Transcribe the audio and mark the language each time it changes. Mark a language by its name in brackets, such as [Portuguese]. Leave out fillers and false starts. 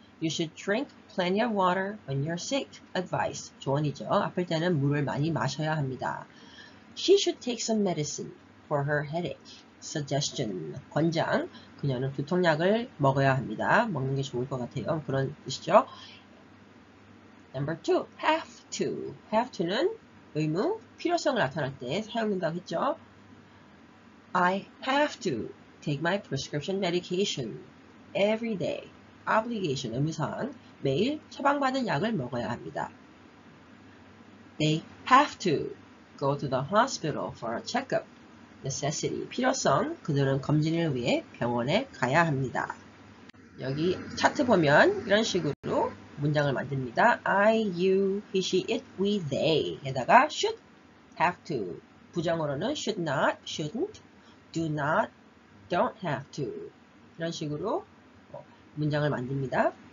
[English] You should drink plenty of water when you're sick. [Korean] Advice, 조언이죠. 아플 때는 물을 많이 마셔야 합니다. [English] She should take some medicine for her headache. [Korean] Suggestion, 권장. 그녀는 두통약을 먹어야 합니다. 먹는 게 좋을 것 같아요. 그런 뜻이죠. [English] Number 2. Have to. Have to [Korean] 는 의무, 필요성을 나타날 때 사용된다고 했죠. [English] I have to take my prescription medication every day. [Korean] Obligation, 의무상 매일 처방받은 약을 먹어야 합니다. [English] They have to go to the hospital for a checkup. [Korean] Necessity, 필요성, 그들은 검진을 위해 병원에 가야 합니다. 여기 차트 보면 이런 식으로 문장을 만듭니다. [English] I, you, he, she, it, we, they. [Korean] 에다가 [English] should, have to. [Korean] 부정으로는 [English] should not, shouldn't, do not, don't have to. [Korean] 이런 식으로 문장을 만듭니다.